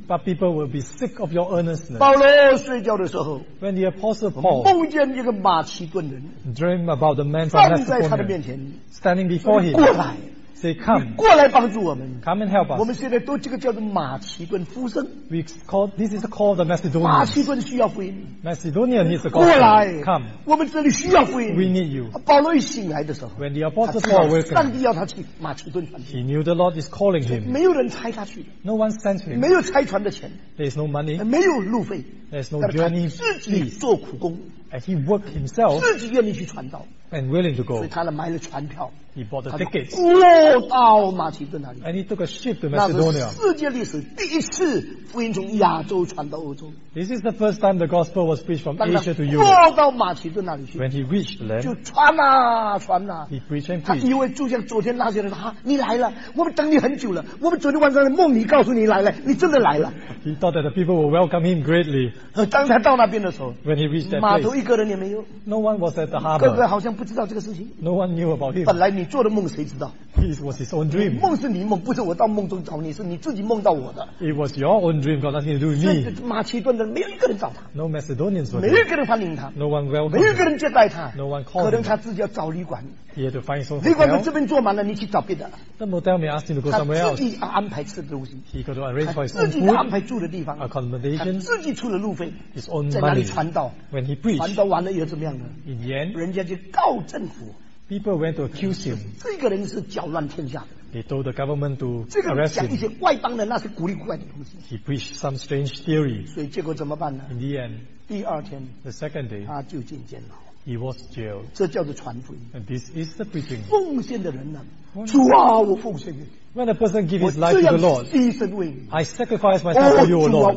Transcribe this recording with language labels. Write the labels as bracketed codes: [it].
[en] But people will be sick of your earnestness. [zh] 保罗睡觉的时候， [en] When the apostle Paul [zh] 梦见一个马其顿人， [en] Dream about the man from Macedonia [zh] 站在他的面前， [en] Standing before him， [zh] 过来， [en] Say come， [zh] 过来帮助我们， [en] Come and help us。 [zh] 我们现在都这个叫做马其顿呼声， [en] We call, This is called the Macedonia。 [zh] 马其顿需要福音， [en] Macedonia needs the gospel。 [zh] 过来， [en] Come， [zh] 我们这里需要福音， [en] We need you。 [zh] 保罗一醒来的时候， [en] When the apostle Paul awakened， [zh] 上帝要他去马其顿传福 [en] 音， He knew the Lord is calling him。 [zh] 没有人差他去， [en] No one sent him。 [zh] 没有差传的钱， [en] There is no money。 [zh] 没有路费， [en] There is no journey。 [zh] 自己做苦工， [en] And he worked himself. [zh] 自己愿意去传道。 [en] And willing to go. [zh] 所以他呢买了船票。 [en] He bought the tickets. [zh] 过到马其顿那里。 [en] And he took a ship to Macedonia. [zh] 那是世界历史第一次福音从亚洲传到欧洲。 [en] This is the first time the gospel was preached from Asia to Europe. [zh] 过到马其顿那里去。 [en] When he reached there, [zh] 就传啊传啊。 [en] He preached and preached. [zh] 他以为就像昨天那些人说，你来了，我们等你很久了，我们昨天晚上的梦里告诉你来了，你真的来了。 [en] He thought that the people would welcome him greatly. [zh] 当他到那边的时候 [en] ，When he reached that [zh] place, 码头一个人也没有。 [en] No one was at the harbor. [zh] 个个好像不知道这个事情。 [en] No one knew about him. [zh] 本来你做的梦谁知道 [en] ？It was his own dream. [zh] 梦是你梦，不是我到梦中找你，是你自己梦到我的。 [en] It was your own dream, got nothing to do with me. [zh] 马其顿的没有一个人找他。 [en] No Macedonians were [zh] there. 没有一个人欢迎他。 [en] No one welcomed. [zh] 没有一个人接待他。 [en] No one called. [zh] 可能他自己要找旅馆。 [en] He had to find some. [zh] 旅馆在这边坐满了，你去找别的。 [en] The motel may ask him to go somewhere else. [zh] 他自己安排吃的东西。 [en] He got to arrange for his own [zh] food. 自己安排住的地方。 [en] Accommodation. [zh] 自己出了路费。 [en] His own money. [zh] 在哪里传道 [en] ？When he preached. [zh] 传道完了又怎么样呢 [en] ？In the end. [zh] 人家就告政府。 [en] People went to accuse him. [zh] 这个人是搅乱天下的。 [en] They told the government to arrest him. [zh] 这个讲一些外邦的那些古里古怪的东西。 [en] He preached some strange theory. [zh] 所以结果怎么办呢 [en] ？In the end. [zh] 第二天。 [en] The second day. [zh] 他就进监牢。 [en] He was jailed. [zh] 这叫做传福音。 [en] And this is the preaching. [zh] 奉献的人呢？主啊，我奉献给你。 [en] When a person gives his life to the Lord, I sacrifice myself to you, O Lord.